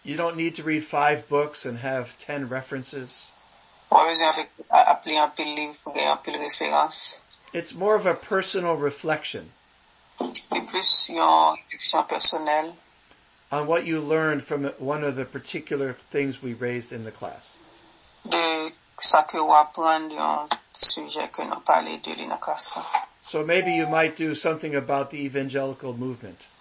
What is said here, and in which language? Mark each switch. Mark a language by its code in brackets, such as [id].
[en] You don't need to read 5 books and have 10 references. It's more of a personal reflection. [fr] C'est plus une réflexion personnelle. [en] On what you learned from one of the particular things we raised in the class. [fr] De ce que vous apprenez d'un sujet que nous parlons de la classe. [en] So maybe you might do something about the evangelical movement.